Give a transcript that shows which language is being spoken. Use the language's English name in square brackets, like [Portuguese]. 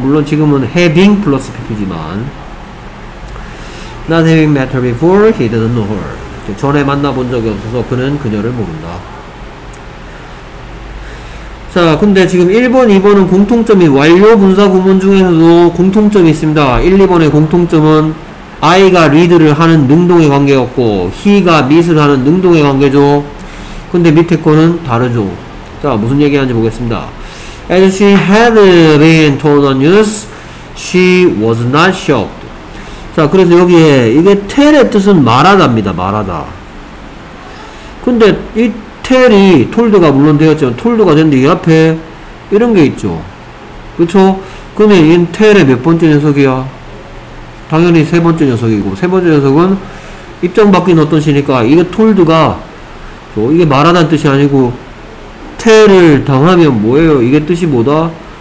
[Korean] 물론 지금은 [English] having 플러스 pp지만 not having met her before, he doesn't know her. [Korean] 전에 만나본 적이 없어서 그는 그녀를 모른다. 자, 근데 지금 1번, 2번은 공통점이 완료 분사 구문 중에서도 공통점이 있습니다. 1, 2번의 공통점은 I가 read를 하는 능동의 관계였고 he가 meet을 하는 능동의 관계죠. 근데 밑에 거는 다르죠. 자, 무슨 얘기하는지 보겠습니다. [English] As she had been told on news, she was not shocked. [Korean] 자, 그래서 여기에 이게 tell의 뜻은 말하다입니다. 말하다. 근데 이 tell이 told가 물론 되었지만 told가 됐는데 이 앞에 이런 게 있죠. 그쵸? 근데 이 tell의 몇 번째 녀석이야? 당연히 세 번째 녀석이고 세 번째 녀석은 입장 바뀐 어떤 시니까 이게 told가 이게 말하다는 뜻이 아니고 tell을 당하면 뭐예요? 이게 뜻이 뭐다?